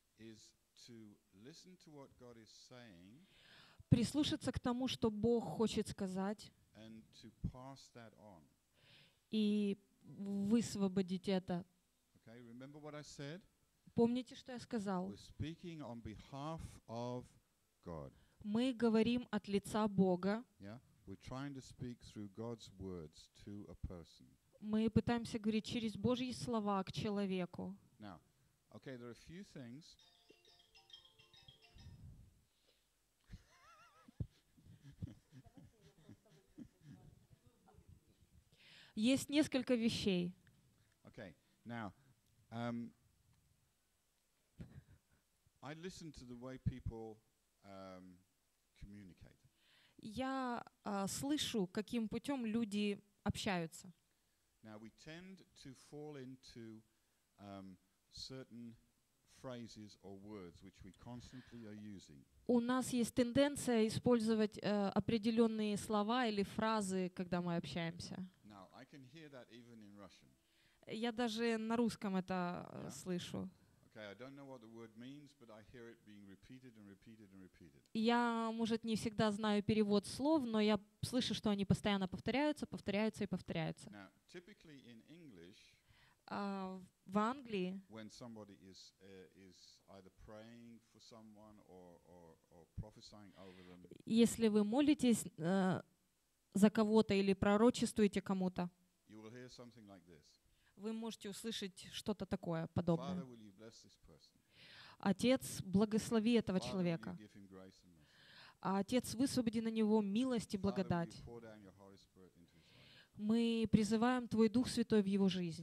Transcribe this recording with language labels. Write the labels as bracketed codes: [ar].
[en] is to listen to what God is saying, [ru] прислушаться к тому, что Бог хочет сказать, [en] and to pass that on. [ru] И высвободить это. [en] Okay, remember what I said? [ru] Помните, что я сказал? [en] We're speaking on behalf of God. [ru] Мы говорим от лица Бога. [en] Yeah? We're trying to speak through God's words to a person. [ru] Мы пытаемся говорить через Божьи слова к человеку. [en] Now, okay, there are a few things. [ru] Есть несколько вещей. [en] Okay, now, I listen to the way people communicate. [ru] Я слышу, каким путем люди общаются. [en] Now we tend to fall into certain phrases or words which we constantly are using. [ru] У нас есть тенденция использовать определенные слова или фразы, когда мы общаемся. [en] Now I can hear that even in Russian. [ru] Я даже на русском это слышу. [en] Okay, I don't know what the word means, but I hear it being repeated and repeated and repeated. [ru] Я, может, не всегда знаю перевод слов, но я слышу, что они постоянно повторяются, повторяются и повторяются. [en] Now, typically in English, [ru] в Англии, [en] when somebody is either praying for someone or prophesying over them, [ru] если вы молитесь за кого-то или пророчествуете кому-то, [en] you will hear something like this. [ru] Вы можете услышать что-то такое подобное. [en] Father, will you bless this person? [ru] Отец, благослови этого [en] Father, [ru] человека. [en] Will you give him grace and mercy? [ru] Отец, высвободи на него милость и благодать. [en] Father, will you pour down your Holy Spirit into his life? [ru] Мы призываем Твой Дух Святой в его жизнь.